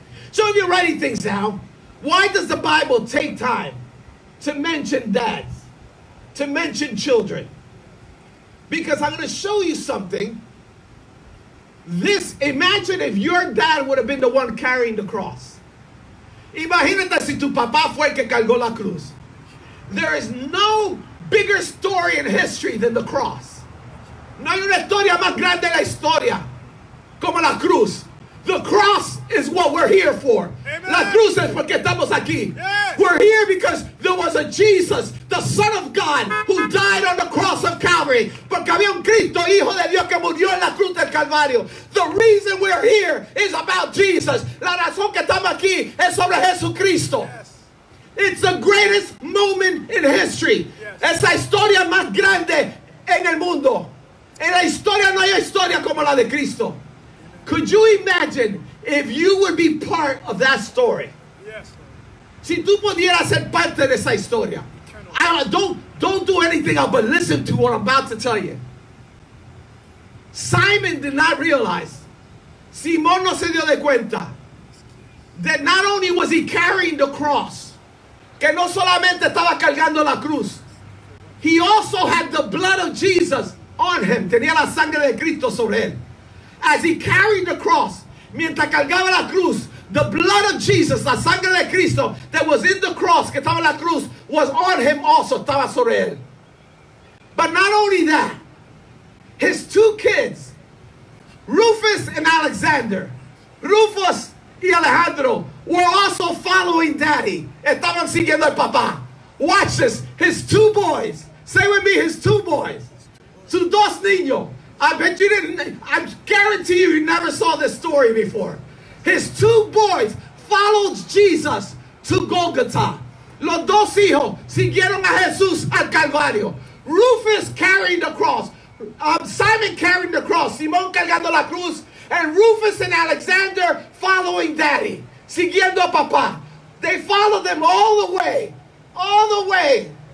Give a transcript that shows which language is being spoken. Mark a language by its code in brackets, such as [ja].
[en] So if you're writing things down, why does the Bible take time to mention dads, to mention children? Because I'm going to show you something. This, imagine if your dad would have been the one carrying the cross. [es] Imagínate si tu papá fue el que cargó la cruz. [en] There is no bigger story in history than the cross. [es] No hay una historia más grande la historia como la cruz. [en] The cross is what we're here for. Amen. [es] La cruz es porque estamos aquí. [en] Yes. We're here because there was a Jesus, the Son of God, who died on the cross of Calvary. [es] Porque había un Cristo, Hijo de Dios, que murió en la cruz del Calvario. [en] The reason we're here is about Jesus. [es] La razón que estamos aquí es sobre Jesucristo. [en] Yes. It's the greatest moment in history. Yes. [es] Es la historia más grande en el mundo. En la historia no hay historia como la de Cristo. [en] Could you imagine if you would be part of that story? Yes. [es] Si tú pudieras ser parte de esa historia. [en] Don't do anything else but listen to what I'm about to tell you. Simon did not realize. [es] Simón no se dio de cuenta. [en] That not only was he carrying the cross. [es] Que no solamente estaba cargando la cruz. [en] He also had the blood of Jesus on him. [es] Tenía la sangre de Cristo sobre él. [en] As he carried the cross, [es] mientras cargaba la cruz, [en] the blood of Jesus, [es] la sangre de Cristo, [en] that was in the cross, [es] que estaba la cruz, [en] was on him also, [es] estaba sobre él. [en] But not only that, his two kids, Rufus and Alexander, Rufus y Alejandro, were also following daddy. [es] Estaban siguiendo al papá. [en] Watch this, his two boys, say with me, his two boys, [es] sus dos niños. [en] I bet you didn't, I guarantee you never saw this story before. His two boys followed Jesus to Golgotha. [es] Los dos hijos siguieron a Jesús al Calvario. [en] Rufus carrying the cross. Simon carrying the cross. [es] Simón cargando la cruz. [en] And Rufus and Alexander following daddy. [es] Siguiendo a papá. [en] They followed them all the way. All the way.